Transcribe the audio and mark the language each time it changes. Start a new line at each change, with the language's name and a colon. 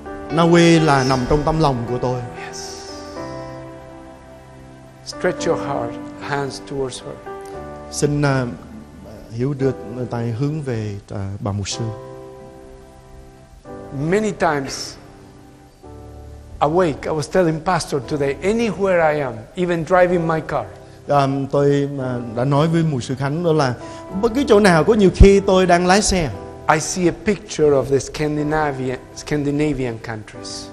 Vietnamese: Na Uy là nằm trong tâm lòng của tôi.
English: Yes. Stretch your heart, hands towards her.
Vietnamese: Xin hiểu đưa tay hướng về bà mục sư.
English: Many times awake, I was telling pastor today, anywhere I am, even driving my car.
Vietnamese: Tôi đã nói với mục sư Khánh đó là bất cứ chỗ nào, có nhiều khi tôi đang lái xe.
English: I see a picture of the Scandinavian countries.